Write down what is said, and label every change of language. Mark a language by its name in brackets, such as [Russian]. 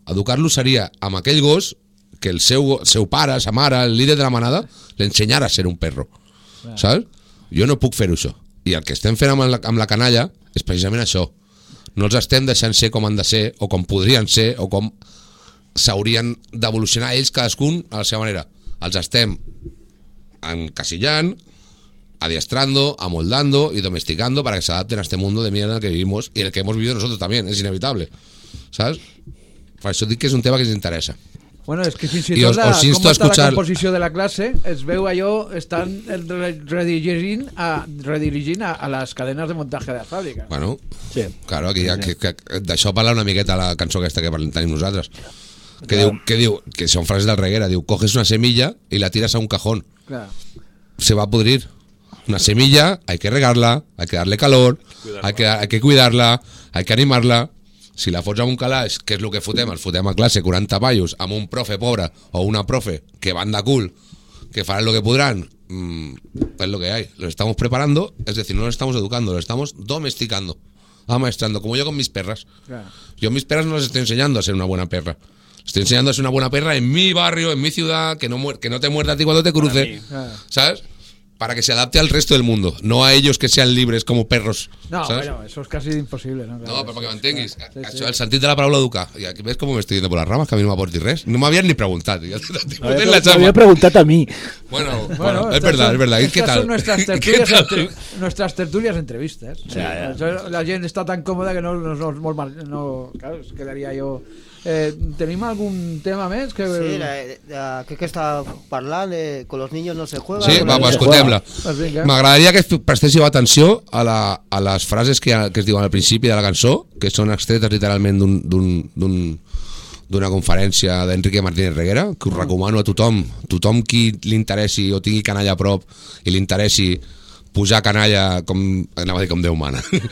[Catalan] Educar-lo seria amb aquell gos que el seu pare, sa mare, el líder de la manada, l'ensenyara a [Spanish] ser un perro. [Catalan] Ja. Saps? Jo no puc fer-ho, això. I el que estem fent amb la canalla és precisament això. No els estem deixant ser com han de ser, o com podrien ser, o com s'haurien d'evolucionar ells cadascun a la seva manera. Els estem encasillant, [Spanish] adiestrando, amoldando y domesticando para que se adapten a este mundo de mierda que vivimos y el que hemos vivido nosotros también, es inevitable. ¿Sabes? Por eso digo que es un tema que nos interesa. [Catalan] Bueno, es que fins i tot com està la composició de la classe, es veu allò, estan redirigint a les cadenes de muntatge de la fàbrica. Bueno, sí. Claro, aquí ja, que d'això parla una miqueta la cançó aquesta que tenim nosaltres. Que claro. diu, que són frases del Reguera, diu, [Spanish] coges una semilla i la tires a un cajón. [Catalan] Claro. [Spanish] Se va a podrir. Una semilla, hay que regarla, hay que darle calor, hay que cuidarla, hay que animarla. [Catalan] Si la fots a un calaix, que és el que fotem? El fotem a classe, 40 paios, amb un profe pobre o una profe que van de cul, que faran el que podran, és el que hi ha. [Spanish] Los estamos preparando, es decir, no los estamos educando, los estamos domesticando, amaestrando, como yo con mis perras. Claro. Yo mis perras no les estoy enseñando a ser una buena perra. Estoy enseñando a ser una buena perra en mi barrio, en mi ciudad, que no te muerda a ti cuando te cruce, claro. ¿Sabes? Para que se adapte al resto del mundo, no a ellos que sean libres como perros. No, ¿sabes? Bueno, eso es casi imposible, ¿no? Claro, no, pero para que mantengas, sí, sí. El sentido de la palabra educa. Y aquí ves cómo me estoy yendo por las ramas, que a mí no me aporta res. No me habían ni preguntado. Me había preguntado a mí. Bueno es verdad. ¿Y qué tal? Son nuestras tertulias, nuestras tertulias entrevistas. Sí, ya. La gente está tan cómoda que no claro, quedaría yo... [Catalan] ¿tenim algun tema més? Que... Sí, que està parlant de Con los niños no se juega. Sí, va, escoltem-la. M'agradaria que prestéssiu atenció a les frases que es diuen al principi de la cançó, que són extretes literalment d'una conferència d'Enrique Martínez Reguera, que us recomano a tothom qui li interessi o tingui canalla a prop i li interessi pujar canalla com, anava a dir, com Déu mana.